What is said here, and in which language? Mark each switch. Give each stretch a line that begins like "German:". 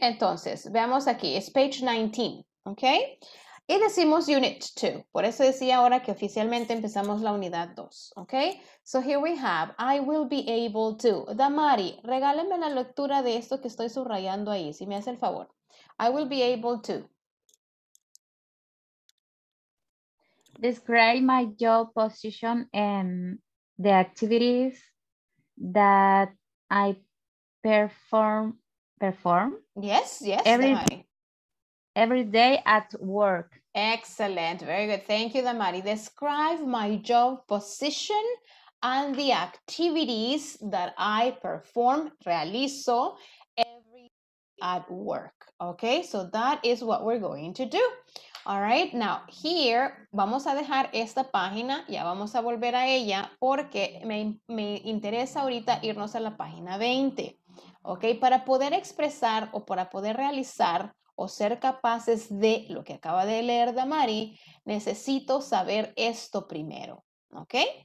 Spanish: Entonces, veamos aquí.
English: It's page 19, okay?
Spanish: Y decimos unit 2. Por eso decía ahora que oficialmente empezamos la unidad 2. ¿Ok?
English: So here we have, I will be able to.
Spanish: Damari, regáleme la lectura de esto que estoy subrayando ahí, si me hace el favor.
English: I will be able to. Describe my job position and the activities that I perform. Yes, yes, every day at work. Excellent. Very good. Thank you, Damari. Describe my job position and the activities that I perform, realizo, every at work. Okay, so that is what we're going to do. All right, now here,
Spanish: vamos a dejar esta página, ya vamos a volver a ella, porque me interesa ahorita irnos a la página 20. Okay, para poder expresar o para poder realizar o ser capaces de lo que acaba de leer Damari, necesito saber esto primero, ¿ok?